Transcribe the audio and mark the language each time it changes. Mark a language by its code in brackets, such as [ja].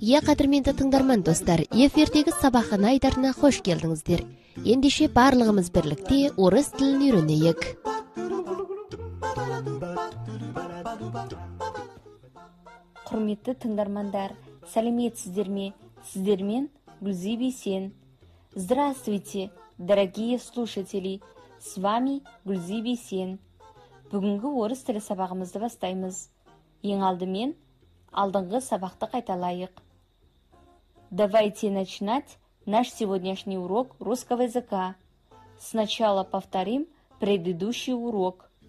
[kk] Я қадірменді тыңдарман, достар. Ефірдегі сабаққан айдарына қош келдіңіздер. Ендеше, барлығымыз бірлікте орыс тілін үйренейік. Құрметті тыңдармандар, сәлеметсіздер ме? Сіздермен Гүлзи Бейсен. [ru] Здравствуйте, дорогие слушатели! С вами Гүлзи Бейсен. [kk] Бүгінгі орыс тілі сабағымызды бастаймыз. Ең алдымен алдыңғы сабақты қайталайық. [ru] Давайте начинать наш сегодняшний урок русского языка. Сначала повторим предыдущий урок.